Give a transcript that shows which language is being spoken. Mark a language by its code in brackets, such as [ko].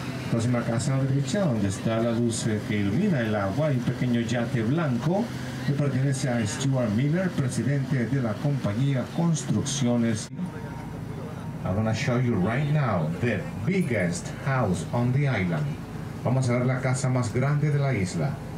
[es] Próxima casa a la derecha, donde está la luz que ilumina el agua, un pequeño yate blanco. Que pertenece a Stuart Miller, presidente de la compañía Construcciones. [en] I'm gonna show you right now the biggest house on the island. [es] Vamos a ver la casa más grande de la isla.